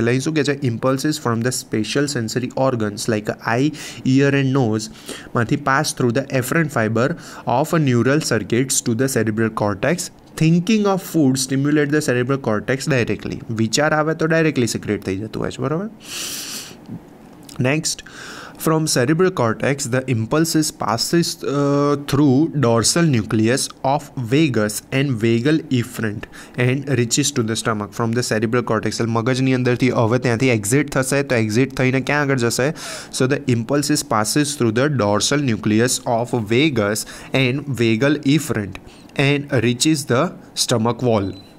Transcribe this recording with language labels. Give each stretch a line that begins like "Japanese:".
Gujarati: એટલે શું કહે છે,
English: Impulses from the special sensory organs like eye, ear and nose માંથી pass through the afferent fiber of a neural circuits to the cerebral cortex. Thinking of food stimulate the cerebral cortex directly.
Gujarati: વિચાર આવે તો directly secret થઈ જતું હોય છે, બરાબર.
English: Next, From cerebral cortex, the impulse passes through dorsal nucleus of vagus and vagal efferent and reaches to the stomach. From the cerebral cortex,
Gujarati: મગજની અંદરથી હવે ત્યાંથી એક્ઝિટ થશે, તો એક્ઝિટ થઈને ક્યાં આગળ જશે?
English: So the impulses passes through the dorsal nucleus of vagus and vagal efferent and reaches the stomach wall.